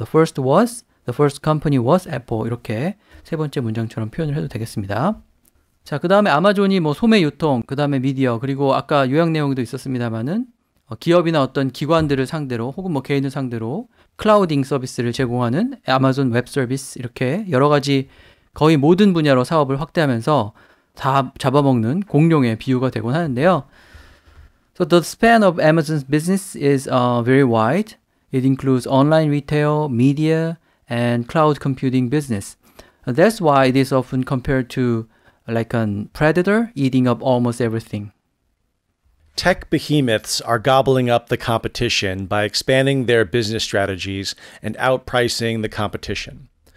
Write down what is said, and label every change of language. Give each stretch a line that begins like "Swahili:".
English: The first was The first company was Apple.
Korean: 이렇게 세 번째 문장처럼 표현을 해도 되겠습니다. 자, 그 다음에 아마존이 뭐 소매 유통, 그 다음에 미디어, 그리고 아까 요약 내용도 있었습니다만은 기업이나 어떤 기관들을 상대로 혹은 뭐 개인을 상대로 클라우딩 서비스를 제공하는 아마존 웹 서비스 이렇게 여러 가지 거의 모든 분야로 사업을 확대하면서 다 잡아먹는 공룡의 비유가 되곤 하는데요.
English: So the span of Amazon's business is very wide. It includes online retail, media, and cloud computing business. That's why it is often compared to like a predator eating up almost everything. Tech behemoths are gobbling up the competition by expanding their business strategies and outpricing the competition.